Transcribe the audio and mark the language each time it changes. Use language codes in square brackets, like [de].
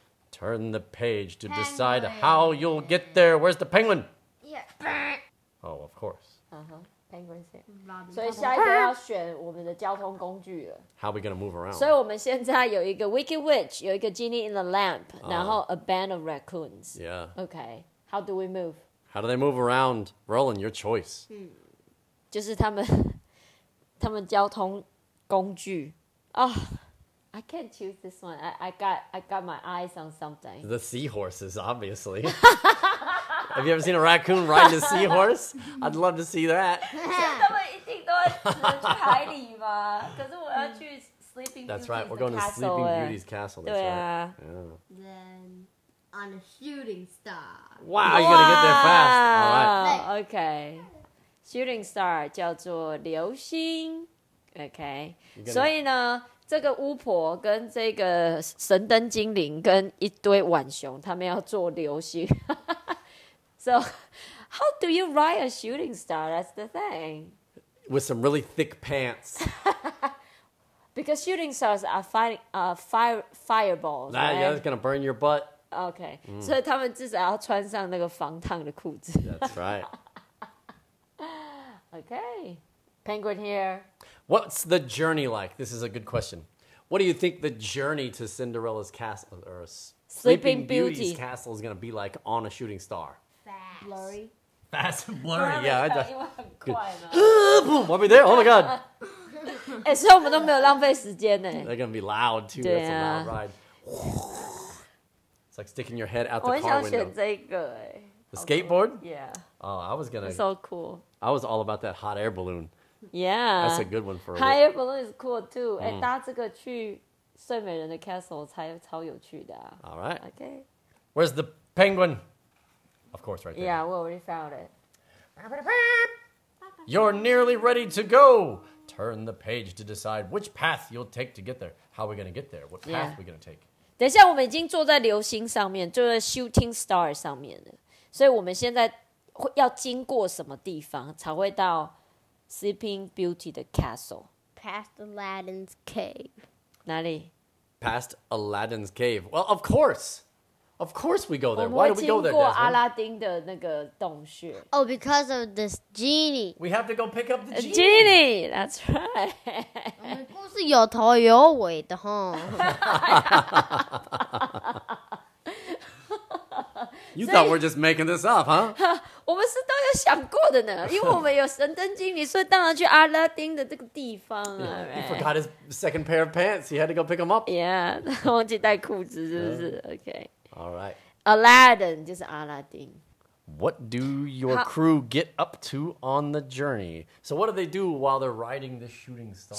[en] Turn the page to decide how you'll get there. Where's the penguin? Yeah. Oh, of course. Penguin's here. [zh] 所以下一个要选我们的交通工具了。 [en] How are we going to move around? [zh] 所以我们现在有一个 Wicked Witch, 有一个 Genie in the Lamp, 然后 [en] a band of raccoons. Yeah. Okay. How do we move? How do they move around? Roland, your choice. Hmm. [zh] 就是他们交通工具啊、 [en] oh, ，I can't choose this one. I got my eyes on something. The seahorses, obviously. Have you ever seen a raccoon ride a seahorse? I'd love to see that. [zh] 他们一定都只能去海里吗？可是我要去 Sleeping Beauty. [en] That's right. We're going to Sleeping Beauty's castle. [zh] 对啊。 [en] Right. Yeah. Then on a shooting star. Wow, you're gonna get there fast. Okay. [zh] Shooting star 叫做流星 ，OK。所以呢，这个巫婆跟这个神灯精灵跟一堆浣熊，他们要做流星。 [en] So, how do you ride a shooting star? That's the thing. With some really thick pants. Because shooting stars are fireballs. That, right? Yeah, that's gonna burn your butt. Okay. [zh] 所以他们至少要穿上那个防烫的裤子。 [en] That's right. Okay, penguin here. What's the journey like? This is a good question. What do you think the journey to Cinderella's castle, or Sleeping Beauty's castle is going to be like on a shooting star? Fast. Blurry. Fast and blurry, yeah. I just, good. Boom, I'll be there. Oh my God. So we haven't wasted time. They're going to be loud too. That's a loud ride. It's like sticking your head out the car window. I want to choose this. The skateboard? Okay. Yeah. Oh, I was gonna... It's so cool. I was all about that hot air balloon. Yeah. That's a good one for a hot air balloon is cool, too. [zh] And 搭这个去睡美人的 castle 才超有趣的啊。 [en] All right. Okay. Where's the penguin? Of course, right there. Yeah, we already found it. You're nearly ready to go. Turn the page to decide which path you'll take to get there. How are we going to get there? What path are we going to take? [zh] 等一下我们已经坐在流星上面，坐在 shooting star 上面了。所以我们现在会要经过什么地方才会到 Sleeping Beauty 的 castle? [en] Past Aladdin's cave. [zh] 哪里？ [en] Past Aladdin's cave. Well, of course. Of course we go there. Why do we go there, Desmond? [zh] 阿拉丁的那个洞穴。 [en] Oh, because of this genie. We have to go pick up the genie. Genie, that's right. [zh] 我们故事有头有尾的哈。 [en] You thought we're just making this up, huh? [zh] 我们是都有想过的呢，因为我们有神灯精灵，所以当然去阿拉丁的这个地方啊。 [en] He forgot his second pair of pants. He had to go pick them up. [zh] Yeah, 忘记带裤子是不是 ？Okay. [en] All right. [zh] Aladdin 就是阿拉丁。 [en] What do your crew get up to on the journey? So what do they do while they're riding the shooting star?